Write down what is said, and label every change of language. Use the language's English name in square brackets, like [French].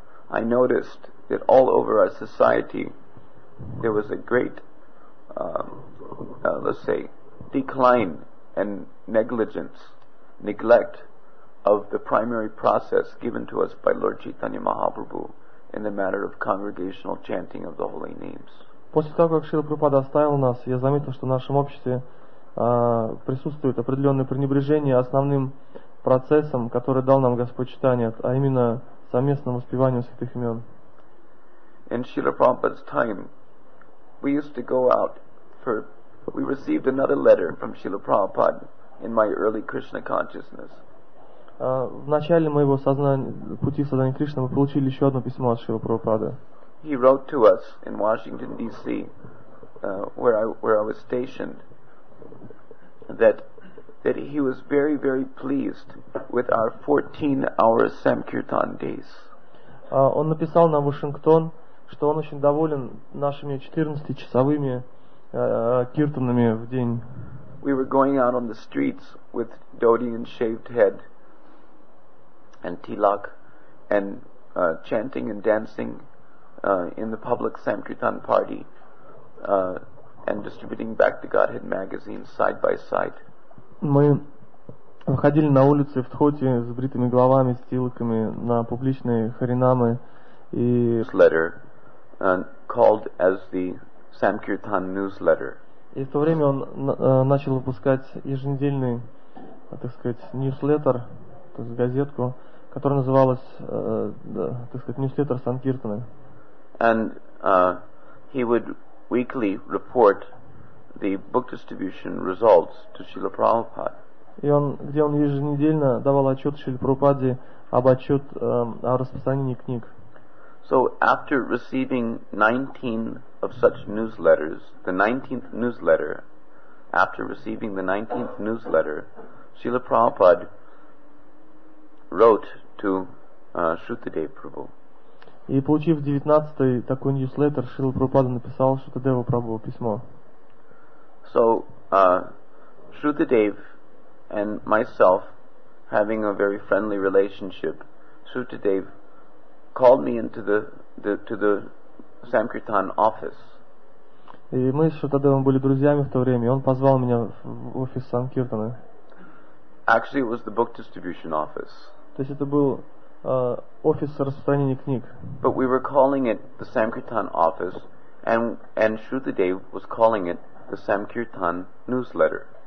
[English] I noticed that all over our society there was a great, let's say, decline and negligence, neglect of the primary process given to us by Lord Chaitanya Mahaprabhu in the matter of congregational chanting of the holy names. [Russian] После того, как Шрила Прабхупада оставил нас, я заметил, что в нашем обществе присутствует определенное пренебрежение основным процессом, который дал нам Господь Чайтанья, а именно совместным воспеванием святых имен. [English] In Srila Prabhupada's time, we used to go out for... We received another letter from Srila Prabhupada in my early Krishna consciousness. [Russian] В начале моего пути в сознание Кришны мы получили еще одно письмо от Шрила Прабхупады. [English] He wrote to us in Washington, D.C., where I was stationed, that he was very, very pleased with our 14-hour Samkirtan days. [Russian] Он написал нам в Вашингтон, что он очень доволен нашими 14-часовыми киртанами в день. [English] We were going out on the streets with dhoti and shaved head and tilak and chanting and dancing in the public Samkirtan party and distributing Bhakti Godhead magazines side by side. [Russian] Мы выходили на улицы в дхоти с бритыми головами, с тилаками, на публичные харинамы и... [English] This letter, called as the Samkirtan newsletter. [Russian] И в то время он начал выпускать еженедельный, так сказать, newsletter, то есть газетку, которая называлась, так сказать, newsletter Sankirtana. [English] And he would weekly report the book distribution results to Srila Prabhupada. [Russian] И он, где он еженедельно давал отчет Шриле Прабхупаде об отчет о распространении книг. [English] So after receiving 19 of such newsletters, the 19th newsletter, after receiving the 19th newsletter, Srila Prabhupada wrote to Shrutadeva Prabhu. [Russian] И получив 19-й такой ньюслеттер, Шрила Прабхупада написал Шрутадеву Прабху письмо. [English] So, Shrutadev and myself having a very friendly relationship, Shrutadev called me into the Samkirtan office. [Russian] И мы с Шрутадевом были друзьями в то время, и он позвал меня в офис Санкиртаны. [English] Actually, it was the book distribution office. [Russian] То есть это был офис распространения книг. [English] But we were calling it the Samkirtan office, and Shrutadev was calling it the Samkirtan newsletter.